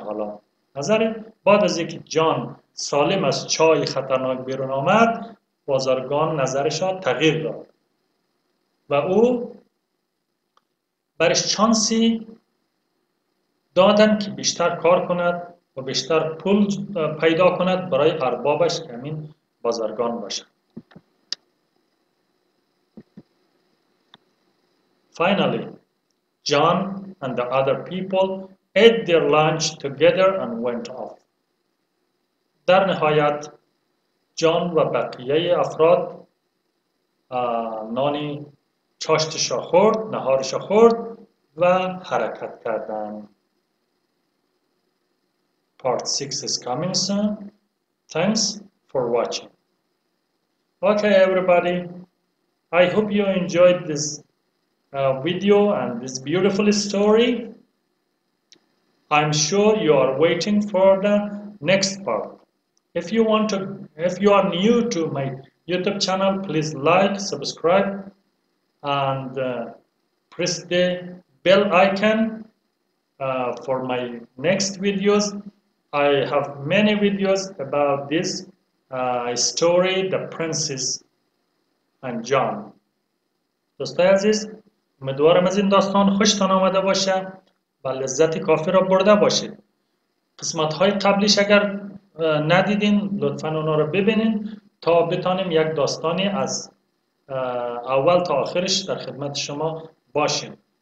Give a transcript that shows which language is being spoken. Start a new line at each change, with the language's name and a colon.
Persian: حالا نظر بعد از اینکه جان سالم از چای خطرناک بیرون آمد، بازرگان نظرش را تغییر داد و او برش چانسی دادن که بیشتر کار کند و بیشتر پول پیدا کند برای اربابش که همین بازرگان باشد.
English: Finally, John and the other people ate their lunch together and went off.
Persian: در نهایت جان و بقیه افراد نانی چاشتش را خورد، نهارش را خورد و حرکت کردند.
English: Part 6 is coming soon. Thanks for watching. Okay, everybody. I hope you enjoyed this video and this beautiful story. I'm sure you are waiting for the next part. If you are new to my YouTube channel, please like, subscribe, and press the bell icon for my next videos. I have many videos about this story, The Princess and John.
Persian: دوستای عزیز، امیدوارم از این داستان خوشتان آمده باشه و لذت کافی را برده باشید. قسمت های قبلیش اگر ندیدین، لطفاً اونا را ببینین تا بتانیم یک داستانی از اول تا آخرش در خدمت شما باشیم.